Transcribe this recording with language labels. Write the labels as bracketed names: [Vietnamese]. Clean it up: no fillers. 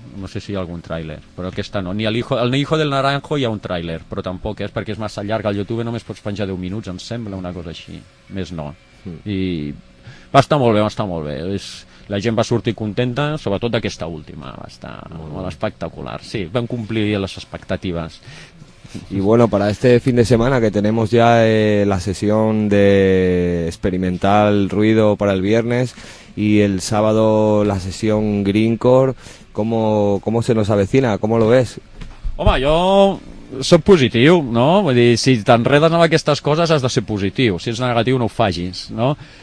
[Catalan] No sé si hi ha algun tràiler, però aquesta no. Ni el hijo del naranjo hi ha un tràiler, però tampoc és, perquè és massa llarg. Al YouTube només pots penjar 10 minuts, em sembla, una cosa així. Més no. I va estar molt bé, va estar molt bé. La gent va sortir contenta, sobretot d'aquesta última. Va estar molt espectacular. Sí, vam complir les expectatives. [Spanish] Y bueno, para este fin de semana que tenemos ya la sesión de experimental ruido para el viernes y el sábado la sesión Greencore, ¿cómo se nos avecina? ¿Cómo lo ves? [Catalan] Home, jo soc positiu, no? Vull dir, si t'enredes amb aquestes coses has de ser positiu, si ets negatiu no ho facis, no?